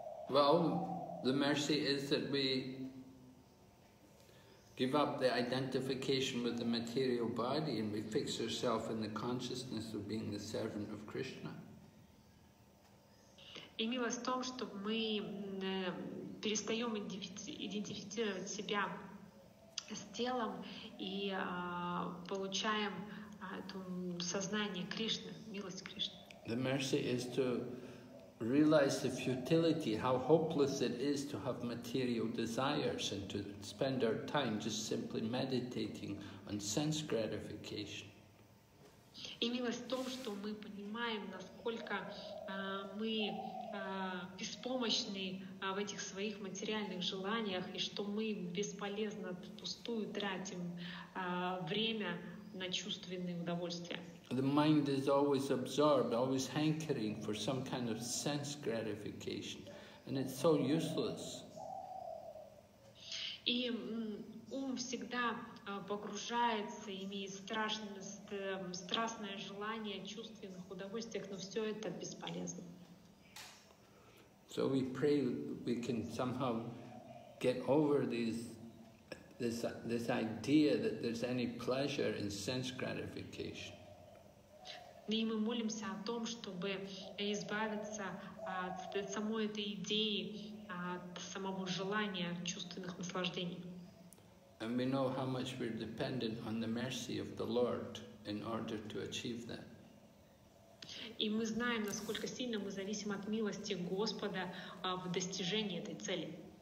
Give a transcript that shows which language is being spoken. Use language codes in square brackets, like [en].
[en] Well, the mercy is that we give up the identification with the material body and we fix ourselves in the consciousness of being the servant of Krishna. [ru] И милость в том, что мы перестаем идентифицировать себя с телом и получаем сознание Кришны, милость Кришны. [en] The mercy is to realize the futility, how hopeless it is to have material desires and to spend our time just simply meditating on sense gratification. [ru] Именно в том, что мы понимаем, насколько мы беспомощны в этих своих материальных желаниях и что мы бесполезно впустую тратим время на чувственные удовольствия. [en] The mind is always absorbed, always hankering for some kind of sense gratification, and it's so useless. [ru] И ум всегда погружается, имеет страстное желание чувственных удовольствий, но все это бесполезно. [en] So we pray we can somehow get over this idea that there's any pleasure in sense gratification. [ru] И мы молимся о том, чтобы избавиться от самой этой идеи, от самого желания чувственных наслаждений. [en] And we know how much we're dependent on the mercy of the Lord in order to achieve that. [ru] И мы знаем, насколько сильно мы зависим от милости Господа в достижении этой цели.